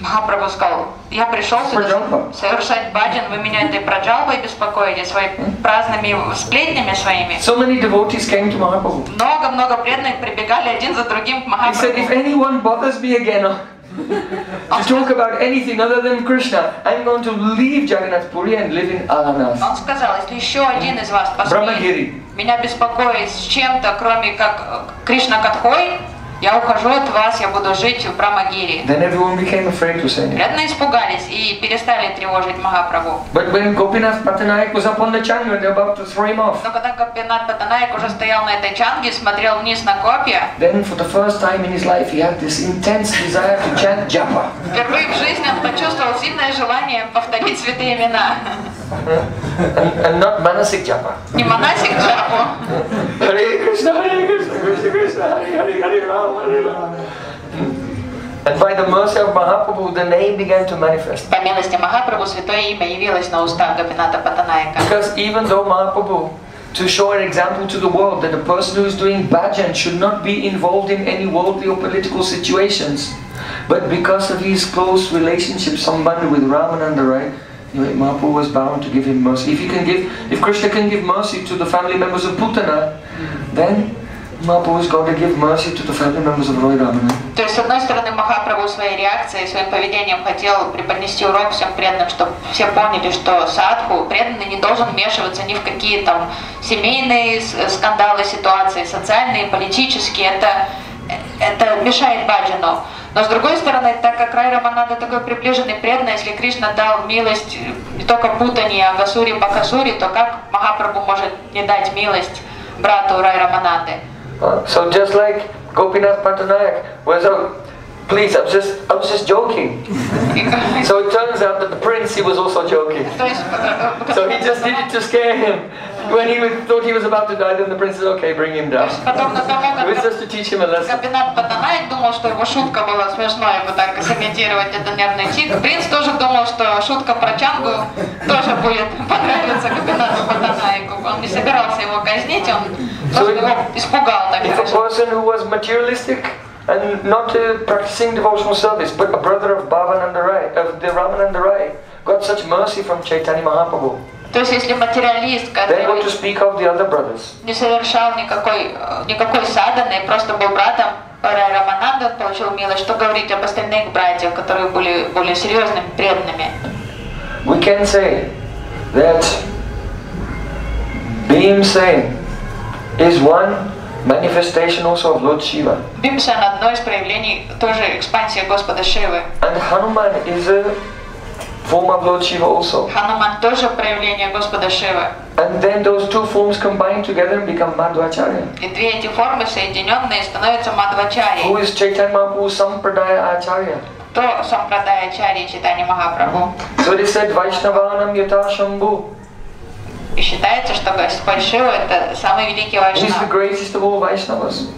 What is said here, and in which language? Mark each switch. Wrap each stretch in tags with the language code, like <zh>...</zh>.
<ru>Махапрабху сказал, я пришел сюда совершать бхаджан, вы меня этой праджалбой беспокоите, своими праздными сплетнями своими.</ru> <en>So many devotees came to Махапрабху.</en> <ru>Много-много преданных прибегали один за другим к Махапрабху.</ru> <en>He said, if anyone bothers me again, to talk about anything other than Krishna, I'm going to leave Jagannath Puri and live in Alanath.</en> <ru>Он сказал, если еще один из вас посмеет меня беспокоить с чем-то, кроме как Кришна Катхой, я ухожу от вас, я буду жить в Брамагири.</ru> <en>Then everyone became afraid to say.</en> <ru>Рядно испугались и перестали тревожить Махапрабху.</ru> <en>But when Gopinath Patanayak was up on the Changa, they're about to throw him off.</en> <ru>Но когда Гопинат Патанайк уже стоял на этой Чанге, смотрел вниз на копья.</ru> <en>Then for the first time in his life, he had this intense desire to chant Japa.</en> <ru>Впервые в жизни он почувствовал сильное желание повторить святые имена.</ru> <en>And not Manasik Japa.</en> <ru>Не Манасик Джапа.</ru> <sa>Hare Krishna, Hare Krishna, Krishna Krishna, Hare Hare.</sa> <en>And by the mercy of Mahaprabhu, the name began to manifest.</en> <ru>По милости Махапрабху святое имя явилось на устах Гопинатха Патанайка.</ru> <en>Because even though Mahaprabhu, to show an example to the world that a person who is doing bhajan should not be involved in any worldly or political situations, but because of his close relationship, somebody with Ramanandaraya, Mahaprabhu was bound to give him mercy. If Krishna can give mercy to the family members of Putana, then Mahaprabhu is going to give mercy to the family members of Rai Ramana.</en> <ru>То есть, с одной стороны, Махапрабху своей реакцией, своим поведением хотел преподнести урок всем преданным, чтобы все поняли, что садху, преданный, не должен вмешиваться ни в какие там семейные скандалы, ситуации, социальные, политические. Это мешает бхаджану. Но с другой стороны, так как Рай Рамананда такой приближенный преданный, если Кришна дал милость не только Путани, а Васури, Бакасури, то как Махапрабху может не дать милость брату Рай Рамананды?</ru> <en>So just like Gopinath Patanayak was a, please, I was just joking. So it turns out that the prince, he was also joking. So he just did it to scare him. When he thought he was about to die, then the prince said, okay, bring him down. It was just to teach him a lesson.</en> <ru>Gopinath Patanayak думал, что его шутка была смешная, вот так сымитировать этот нервный тик. Принц тоже думал, что шутка про чангу тоже будет понравиться Gopinath Patanayak. Он не собирался его казнить, он</ru> <en>If a person who was materialistic and not practicing devotional service, but a brother of Bhavanandaraya, of the Ramanandaraya, got such mercy from Chaitanya Mahaprabhu.</en> <ru>То есть если материалист, который не совершал никакой садханы, просто был братом Рай Рамананды, получил милость, что говорить об остальных братьях, которые были более серьезными, преданными?</ru> <en>We can say that being saint is one manifestation also of Lord Shiva.</en> <ru>Бимсен одно из проявлений тоже экспансии Господа Шивы.</ru> <en>And Hanuman is a form of Lord Shiva also.</en> <ru>Hanuman тоже проявление Господа Шивы.</ru> <en>And then those two forms combine together and become Madhvacharya.</en> <ru>И две эти формы соединенные становятся Мадхвачари.</ru> <en>Who is Chaitanya Mahaprabhu, Sampradaya Acharya?</en> <ru>То Сампрадая Ачарья, Чайтанья Махапрабху.</ru> <en>So they said</en> <sa>Vaishnavanam Yata Shambhu.</sa> <ru>И считается, что Господь Шива это самый великий вайшнав.</ru> <en>He's the greatest of all Vaishnavas.</en>